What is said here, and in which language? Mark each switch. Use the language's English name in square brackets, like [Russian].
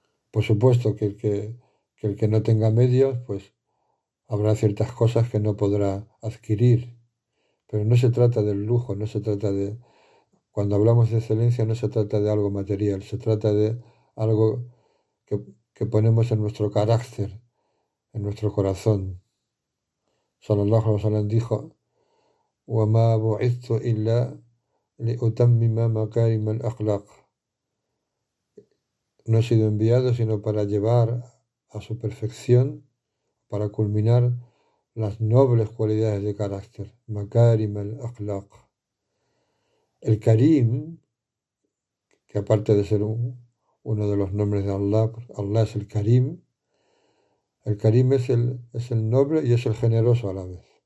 [Spanish] Por supuesto que el que no tenga medios, pues habrá ciertas cosas que no podrá adquirir. Pero no se trata del lujo, no se trata de... Cuando hablamos de excelencia no se trata de algo material, se trata de algo que ponemos en nuestro carácter, en nuestro corazón. [Arabic] Sallallahu alaihi wasallam dijo: وَمَا بُعِثْتُ إِلَّا لِأُتَمِّمَ مَكَارِمَ الْأَخْلَاقِ. [Spanish] No he sido enviado sino para llevar a su perfección, para culminar las nobles cualidades de carácter, makarim al-akhlaq. El Karim, que aparte de ser uno de los nombres de Allah, Allah es el Karim es el noble y es el generoso a la vez.